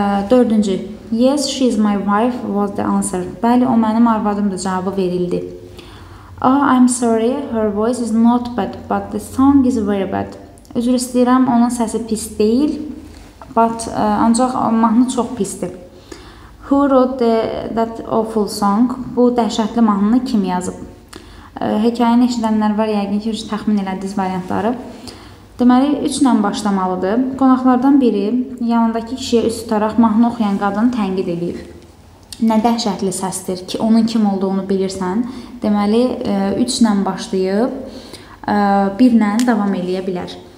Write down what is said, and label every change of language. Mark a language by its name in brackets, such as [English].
[Azerbaijani] Dördüncü, [English] yes, she is my wife was the answer. [Azerbaijani] Bəli, o mənim arvadımdır cavabı verildi. [English] Oh, I'm sorry, her voice is not bad, but the song is very bad. [Azerbaijani] Üzr istəyirəm, onun səsi pis deyil, but ancaq mahnı çox pisdir. [English] Who wrote that awful song? [Azerbaijani] Bu dəhşətli mahnını kim yazıb? Hekayəni eşidənlər var, yəqin ki, təxmin elədiniz variantları. Deməli, 3-lə başlamalıdır. Qonaqlardan biri yanındakı kişiyə üst tutaraq mahnı oxuyan qadını tənqid edib. nə dəhşətli səsdir ki, onun kim olduğunu bilirsən. Deməli, 3-lə başlayıb 1-lə davam eləyə bilər.